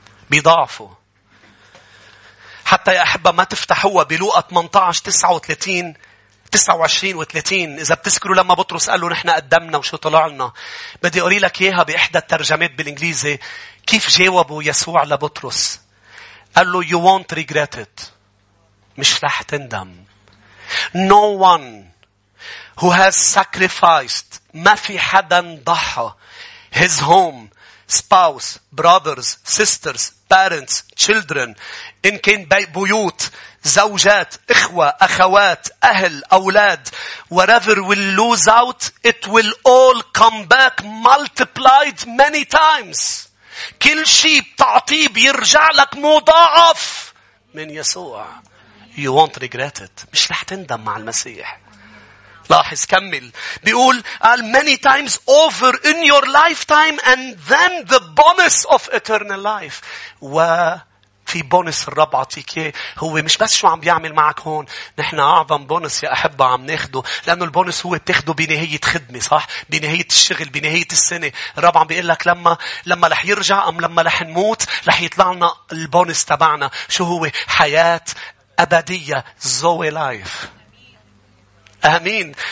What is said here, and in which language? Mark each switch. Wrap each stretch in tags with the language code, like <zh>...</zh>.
<ar>بيضعفه. حتى يا أحبة ما تفتحوها بلوقا 18:29-30. إذا بتذكروا لما بطرس قال له نحن قدمنا وشو طلعنا. بدي أقول لك إياها بإحدى الترجمات بالإنجليزي. كيف جاوبوا يسوع لبطرس.</ar> <en>قال له you won't regret it.</en> <ar>مش رح تندم.</ar> <en>No one who has sacrificed.</en> <ar>ما في حدا ضحى.</ar> <en>His home. Spouse. Brothers. Sisters. Parents. Children.</en> <ar>إن كان بيوت. زوجات, إخوة, أخوات, أهل, أولاد.</ar> <en>Whatever will lose out, it will all come back multiplied many times.</en> <ar>كل شيء بتعطيه بيرجع لك مضاعف من يسوع.</ar> <en>You won't regret it.</en> <ar>مش رح تندم مع المسيح. لاحظ كمل. بيقول</ar> <en>many times over in your lifetime and then the bonus of eternal life.</en> <ar>و في بونس الرب عطيك. هو مش بس شو عم بيعمل معك هون. نحن أعظم بونس يا أحبة عم ناخده. لأنه البونس هو بتاخده بنهاية خدمة صح؟ بنهاية الشغل, بنهاية السنة. الرب عم بيقول لك لما لح يرجع أم لما لح نموت لح يطلع لنا البونس تبعنا. شو هو؟ حياة أبدية. زوي لايف. أمين.</ar>